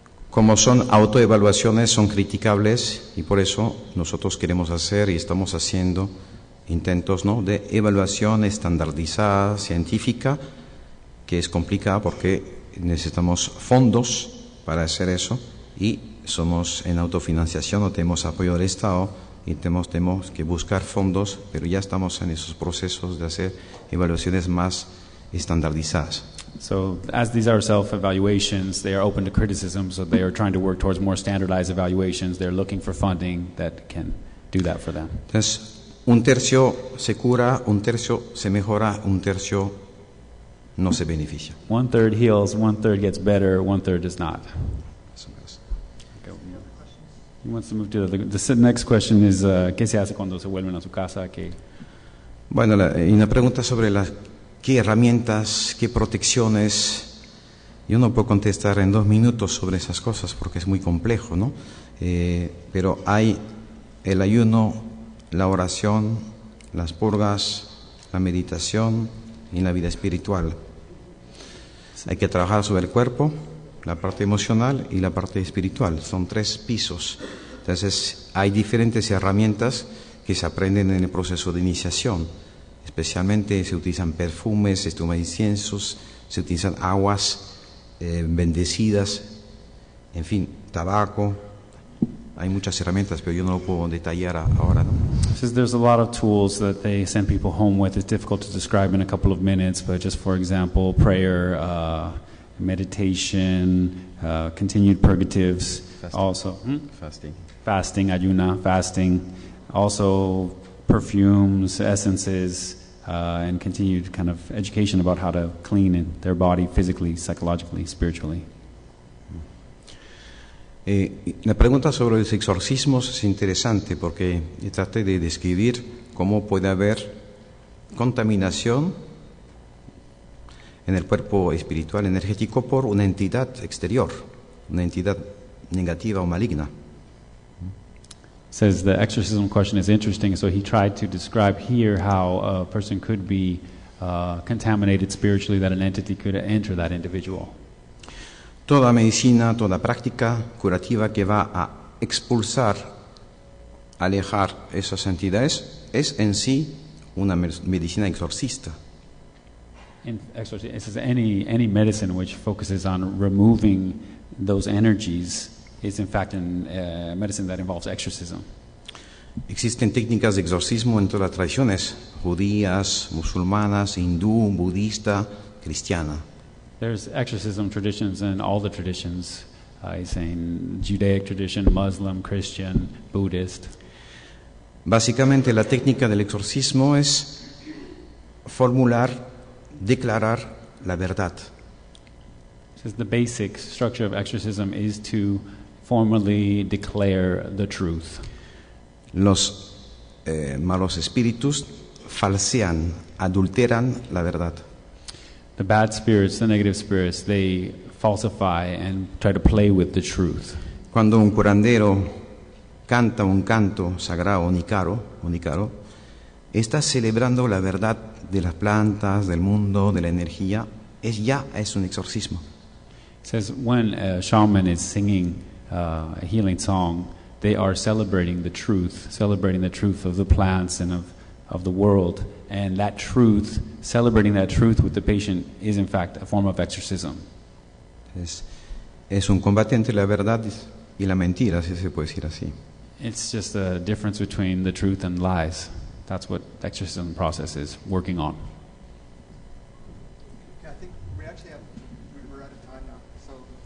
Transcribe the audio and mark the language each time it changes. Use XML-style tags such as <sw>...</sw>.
<es>Como son autoevaluaciones, son criticables y por eso nosotros queremos hacer y estamos haciendo intentos, ¿no?, de evaluación estandarizada, científica, que es complicada porque necesitamos fondos para hacer eso y somos en autofinanciación, no tenemos apoyo del Estado y tenemos que buscar fondos, pero ya estamos en esos procesos de hacer evaluaciones más estandarizadas.</es> <en>So as these are self-evaluations, they are open to criticism, so they are trying to work towards more standardized evaluations. They're looking for funding that can do that for them.</en> <es>Entonces, un tercio se cura, un tercio se mejora, un tercio no se beneficia.</es> <en>One third heals, one third gets better, one third does not. He wants to move to the next question is,</en> <es>¿qué se hace cuando se vuelven a su casa? ¿Qué? Bueno, y una pregunta sobre las... ¿Qué herramientas, qué protecciones? Yo no puedo contestar en dos minutos sobre esas cosas porque es muy complejo, ¿no? Pero hay el ayuno, la oración, las purgas, la meditación y la vida espiritual. Hay que trabajar sobre el cuerpo, la parte emocional y la parte espiritual. Son tres pisos. Entonces, hay diferentes herramientas que se aprenden en el proceso de iniciación. Especialmente se utilizan perfumes, se toman inciensos, se utilizan aguas bendecidas, en fin, tabaco. Hay muchas herramientas, pero yo no lo puedo detallar ahora, ¿no?</es> <en>Since there's a lot of tools that they send people home with, it's difficult to describe in a couple of minutes, but just for example, prayer, meditation, continued purgatives, fasting. Also. Hmm? Fasting. Fasting, ayuna, fasting. Also, perfumes, essences, and continued kind of education about how to clean in their body physically, psychologically, spiritually.</en> <es>La pregunta sobre los exorcismos es interesante porque traté de describir cómo puede haber contaminación en el cuerpo espiritual energético por una entidad exterior, una entidad negativa o maligna.</es> <en>Says the exorcism question is interesting, so he tried to describe here how a person could be contaminated spiritually, that an entity could enter that individual.</en> <es>Toda medicina, toda práctica curativa que va a expulsar, alejar esas entidades, es en sí una medicina exorcista.</es> <en>It says any medicine which focuses on removing those energies is in fact medicine that involves exorcism.</en> <es>Existen técnicas de exorcismo en todas las tradiciones, judías, musulmanas, hindú, budista, cristiana.</es> <en>There's exorcism traditions in all the traditions, Judaic tradition, Muslim, Christian, Buddhist.</en> <es>Básicamente la técnica del exorcismo es formular, declarar la verdad.</es> <en>So the basic structure of exorcism is to formally declare the truth.</en> <es>Los malos espíritus falsean, adulteran la verdad.</es> <en>The bad spirits, the negative spirits, they falsify and try to play with the truth.</en> <es>Cuando un curandero canta un canto sagrado, unicaro, está celebrando la verdad de las plantas, del mundo, de la energía, es un exorcismo.</es> <en>It says when a shaman is singing a healing song, they are celebrating the truth of the plants and of the world, and that truth, celebrating that truth with the patient, is in fact a form of exorcism.</en> <es>Es un combate entre la verdad y la mentira, si se puede decir así.</es> <en>It's just the difference between the truth and lies. That's what the exorcism process is working on. We're out of time now, so I'm sorry we won't get any more questions or answers.</en>